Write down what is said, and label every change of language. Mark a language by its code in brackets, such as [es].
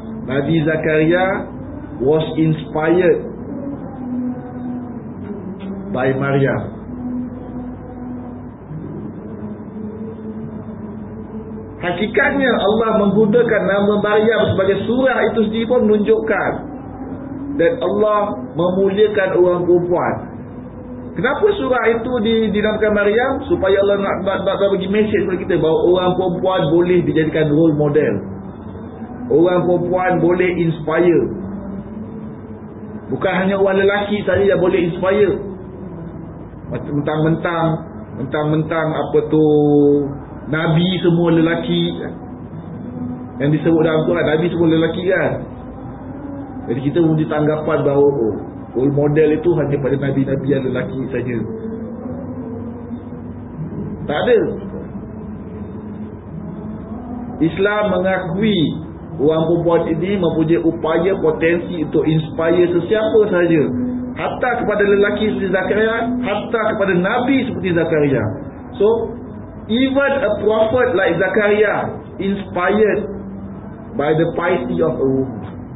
[en] Nabi Zakaria was inspired by Maryam. [ms] Hakikatnya Allah menggunakan nama Maryam sebagai surah itu sendiri pun menunjukkan dan Allah memuliakan orang perempuan. Kenapa surah itu dinamakan Maryam? Supaya Allah nak bagi mesej kepada kita bahawa orang perempuan boleh dijadikan role model. Orang perempuan boleh inspire. Bukan hanya orang lelaki saja yang boleh inspire. Mentang-mentang apa tu Nabi semua lelaki. Yang disebut dalam Quran Nabi semua lelaki kan. Jadi kita mesti tanggapan bahawa role model itu hanya pada Nabi-Nabi yang lelaki saja. Tak ada. Islam mengakui orang perempuan ini mempunyai upaya potensi untuk inspire sesiapa saja. Hatta kepada lelaki seperti Zakaria, hatta kepada Nabi seperti Zakaria. [en] So, even a prophet like Zakaria inspired by the piety of a woman.